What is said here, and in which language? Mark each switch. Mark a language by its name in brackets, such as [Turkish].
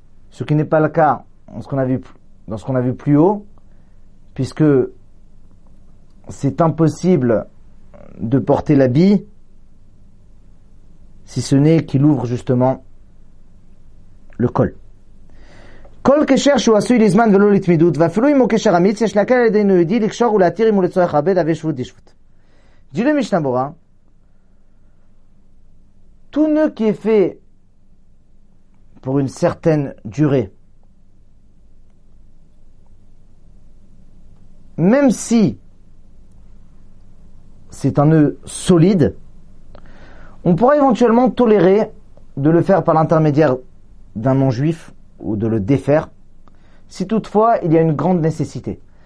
[French] Ce qui n'est pas le cas dans ce qu'on a vu plus haut, puisque c'est impossible de porter l'habit si ce n'est qu'il ouvre justement le col. [Hebrew] כל קשר שהוא עשוי לזמן ולא לתמידות, ואפילו אם הוא קשר אמיץ, יש להקל על ידינו יהודי לקשור ולהתיר אם הוא לצורך הרבה דווי שבות דשבות. [French] דילי משנה ברורה, tout nœud qui est fait pour une certaine durée, même si c'est un nœud solide, on pourra éventuellement tolérer de le faire par l'intermédiaire d'un non-juif ou de le défaire, si toutefois il y a une grande nécessité.